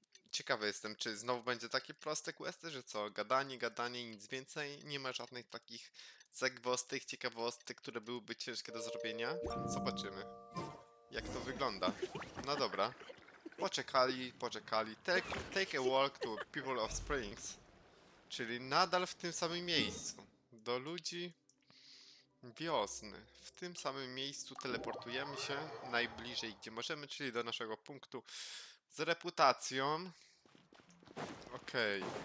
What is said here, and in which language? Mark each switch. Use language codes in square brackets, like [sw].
[pl] Ciekawy jestem, czy znowu będzie takie proste questy, że co? Gadanie, gadanie, nic więcej. Nie ma żadnych takich zagwostych, ciekawostek, które byłyby ciężkie do zrobienia. Zobaczymy, jak to wygląda. No dobra. Poczekali, poczekali. [en] Take a walk to People of Springs. [pl] Czyli nadal w tym samym miejscu. Do ludzi wiosny. W tym samym miejscu teleportujemy się najbliżej, gdzie możemy, czyli do naszego punktu z reputacją. Okej.